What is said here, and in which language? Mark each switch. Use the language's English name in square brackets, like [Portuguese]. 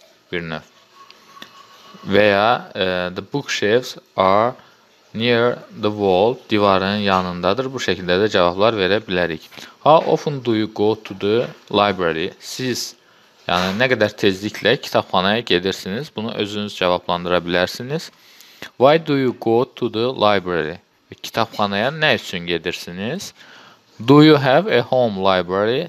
[Azerbaijani] Bir növ. [English] Veya the bookshelves are near the wall. [Azerbaijani] Divarın yanındadır. Bu şəkildə də cavablar verə bilərik. [English] How often do you go to the library? [Azerbaijani] Siz, yəni nə qədər tezliklə kitabxanaya gedirsiniz? Bunu özünüz cavablandıra bilərsiniz. [English] Why do you go to the library? [Azerbaijani] Kitabxanaya nə üçün gedirsiniz? [English] Do you have a home library?